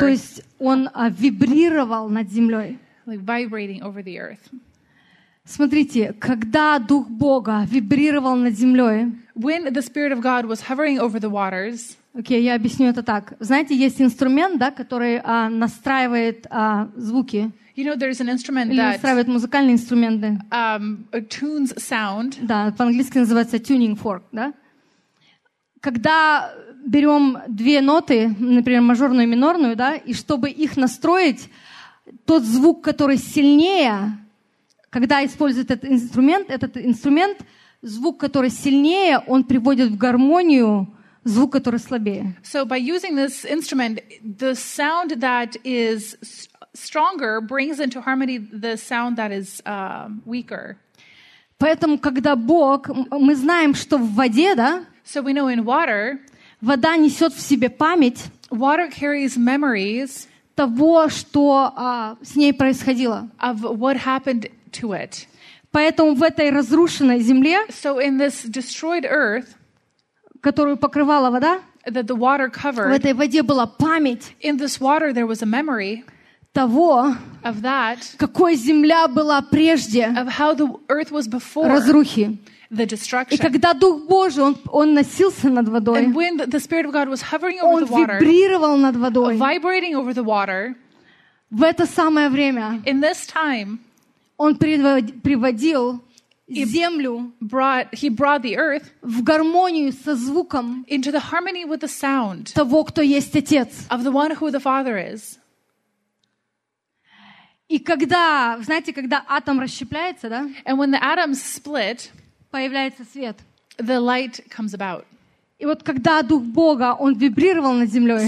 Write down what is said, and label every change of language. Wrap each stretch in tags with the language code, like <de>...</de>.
<ru>То есть он вибрировал над землей.</ru> <en>Like vibrating over the earth.</en> <ru>Смотрите, когда Дух Бога вибрировал над землей,</ru> <en>when the Spirit of God was hovering over the waters,</en> <ru>окей, я объясню это так. Знаете, есть инструмент, да, который настраивает звуки.</ru> <en>You know, there's an instrument</en> <ru>или настраивает музыкальные инструменты.</ru> <en>Tunes sound.</en> <ru>Да, по-английски называется tuning fork, да? Когда берем две ноты, например, мажорную и минорную, да, и чтобы их настроить, тот звук, который сильнее, когда используют этот инструмент, звук, который сильнее, он приводит в гармонию звук, который слабее.</ru> <en>So by using this instrument, the sound that is stronger brings into harmony the sound that is weaker.</en> <ru>Поэтому, когда Бог, мы знаем, что в воде, да?</ru> <en>So we know in water,</en> <ru>вода несет в себе память.</ru> <en>Water carries memories</en> <ru>того, что с ней происходило.</ru> <en>Of what happened to it.</en> <ru>Поэтому в этой разрушенной земле,</ru> <en>so in this destroyed earth,</en> <ru>которую покрывала вода,</ru> <en>that the water covered,</en> <ru>в этой воде была память.</ru> <en>In this water there was a memory</en> <ru>того,</ru> <en>of that,</en> <ru>какой земля была прежде,</ru> <en>of how the earth was before,</en> <ru>разрухи.</ru> <en>The destruction.</en> <ru>И когда Дух Божий, он носился над водой,</ru> <en>and when the Spirit of God was hovering over the</en> <ru>water, вибрировал над водой,</ru> <en>vibrating over the water,</en> <ru>в это самое время,</ru> <en>in this time,</en> <ru>он приводил землю,</ru> <en>he brought the earth,</en> <ru>в гармонию со звуком,</ru> <en>into the harmony with the sound,</en> <ru>того, кто есть Отец,</ru> <en>of the one who the Father is.</en> <ru>И когда, знаете, когда атом расщепляется, да?</ru> <en>And when the atoms split,</en> <ru>появляется свет.</ru> <en>The light comes about.</en> <ru>И вот когда Дух Бога, он вибрировал над землей,</ru>